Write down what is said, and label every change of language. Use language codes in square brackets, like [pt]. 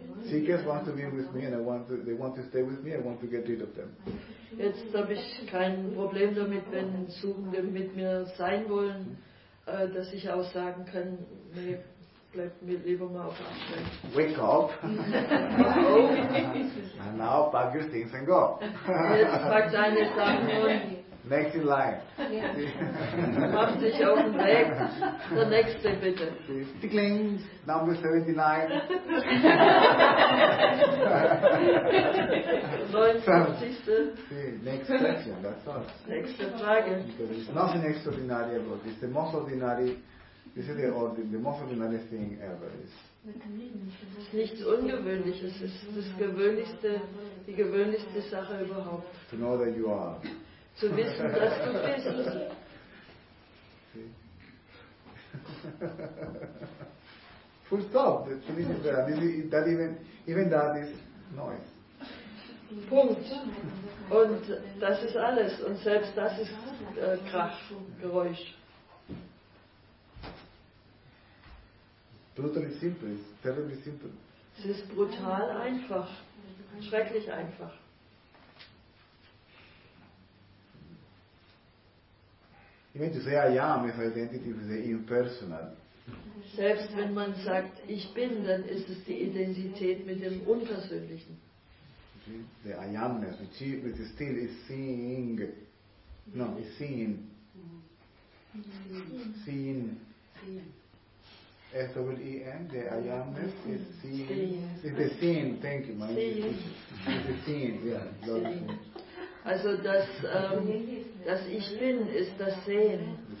[en] Seekers want to be with me and I want to, they want to stay with me, I want to get rid of them. [de] Jetzt habe ich kein Problem damit, wenn Suchende mit mir sein wollen, dass ich auch sagen kann, nee, bleib mir lieber mal auf Abstand. [en] Wake up. And now pack your things and go. [de] Jetzt pack deine Sachen und [en] next in line. [de] Mach dich auf den Weg. Der nächste bitte. [en] Tickling, number 79. 79. See, next question, that's all. [de] Nächste Frage. [en] Because it's nothing extraordinary about this. The most ordinary, this is the most ordinary thing ever. [de] Es ist nichts Ungewöhnliches. Es ist das Gewöhnlichste, die gewöhnlichste Sache überhaupt. [en] To know that you are. [de] Zu wissen, dass du bist. [en] Full stop. This is there. This is, that even that is noise. [de] Punkt. Und das ist alles. Und selbst das ist Krach, Geräusch. [en] Brutally simple. It's terribly simple. [de] Es ist brutal einfach. Schrecklich einfach. [en] Even to say I am, if identity is impersonal. [de] Selbst wenn man sagt, ich bin, dann ist es die Identität mit dem Unpersönlichen. [en] The I amness, which is still is seeing. No, is seen. Seen. S-O-E-N, the I amness is seen. It's the seen, thank you, my dear. It's the seen, yeah. Lord. [de] Also das, das Ich Bin ist das Sehen.